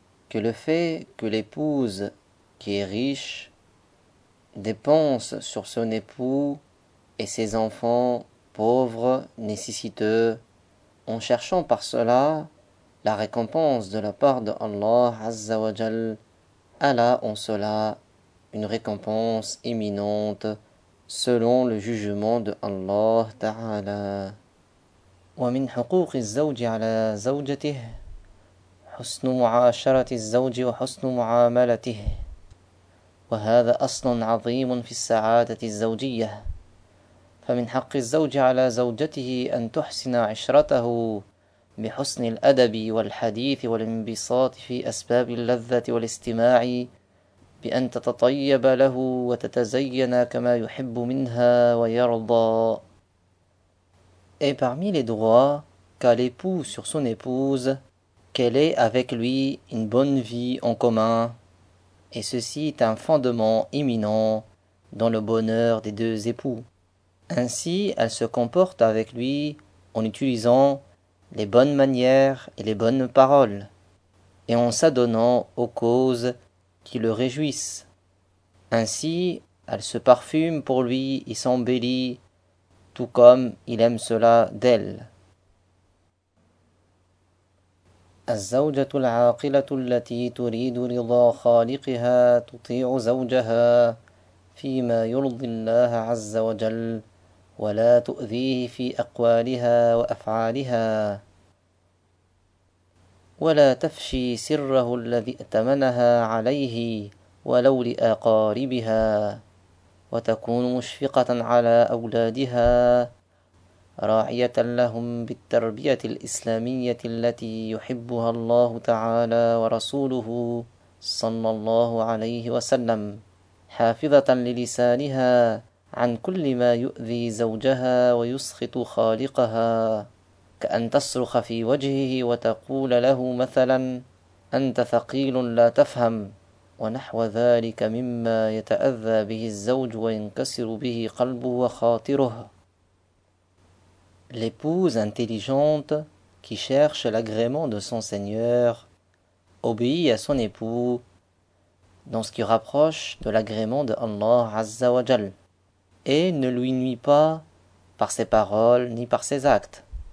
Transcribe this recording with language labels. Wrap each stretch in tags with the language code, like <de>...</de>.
<fr>que le fait que l'épouse qui est riche dépense sur son époux et ses enfants pauvres, nécessiteux, en cherchant par cela la récompense de la part de Allah Azza wa Jal, elle a en cela une récompense imminente selon le jugement de Allah Ta'ala.</fr> <ar>ومن حقوق الزوج على زوجته حسن معاشرة الزوج وحسن معاملته وهذا أصل عظيم في السعادة الزوجية فمن حق الزوج على زوجته أن تحسن عشرته بحسن الأدب والحديث والانبساط في أسباب اللذة والاستماع بأن تتطيب له وتتزين كما يحب منها ويرضى.</ar> <fr>Et parmi les droits qu'a l'époux sur son épouse, qu'elle ait avec lui une bonne vie en commun. Et ceci est un fondement imminent dans le bonheur des deux époux. Ainsi, elle se comporte avec lui en utilisant les bonnes manières et les bonnes paroles, et en s'adonnant aux causes qui le réjouissent. Ainsi, elle se parfume pour lui et s'embellit, tout comme il aime cela d'elle.</fr> <ar>الزوجة العاقلة التي تريد رضا خالقها تطيع زوجها فيما يرضي الله عز وجل ولا تؤذيه في أقوالها وأفعالها ولا تفشي سره الذي ائتمنها عليه ولو لأقاربها وتكون مشفقة على أولادها راعية لهم بالتربية الإسلامية التي يحبها الله تعالى ورسوله صلى الله عليه وسلم حافظة للسانها عن كل ما يؤذي زوجها ويسخط خالقها كأن تصرخ في وجهه وتقول له مثلا أنت ثقيل لا تفهم ونحو ذلك مما يتأذى به الزوج وينكسر به قلبه وخاطره.</ar> <fr>L'épouse intelligente qui cherche l'agrément de son Seigneur obéit à son époux dans ce qui rapproche de l'agrément de Allah Azza wa Jal et ne lui nuit pas par ses paroles ni par ses actes</fr>